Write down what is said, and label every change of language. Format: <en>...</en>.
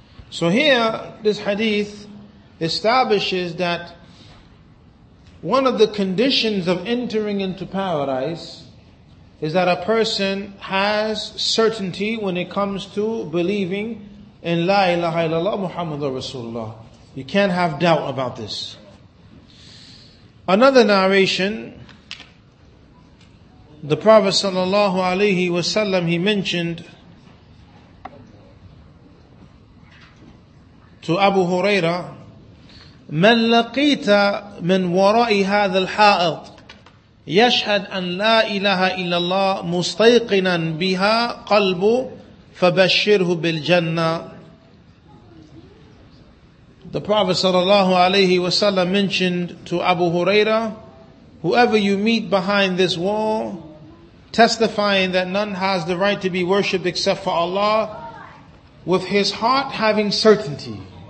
<en>So here, this hadith establishes that one of the conditions of entering into paradise is that a person has certainty when it comes to believing in La ilaha illallah Muhammadur Rasulullah. You can't have doubt about this. Another narration, the Prophet sallallahu alayhi wasallam, he mentioned to Abu Huraira,</en> <ar>من لقيت من وراء هذا الحائط يشهد أن لا إله إلا الله مستيقنا بها قلبه فبشره بالجنة.</ar> <en>The Prophet sallallahu alayhi wa sallam mentioned to Abu Huraira, whoever you meet behind this wall, testifying that none has the right to be worshipped except for Allah, with his heart having certainty.</en>